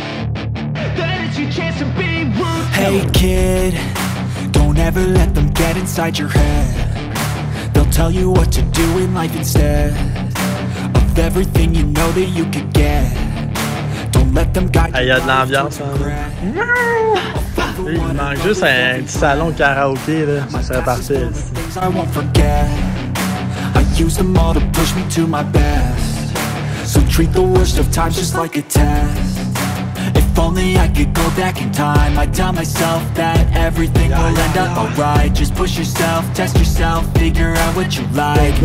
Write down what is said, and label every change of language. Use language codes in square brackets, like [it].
[en] Hey kid, don't ever let them get inside your head. They'll tell you what to do in life instead. Everything you know that you could get. Don't let them guide. [fr] Hey, y'a de l'ambiance, hein. Il manque juste un petit salon karaoké, là. Ça serait parti. [en] I won't forget. I use them all to push me to my best. So treat the worst of times just like a test. If only I could go back in time, I'd tell myself that everything will end up alright. Just push yourself, test yourself, figure out what you like.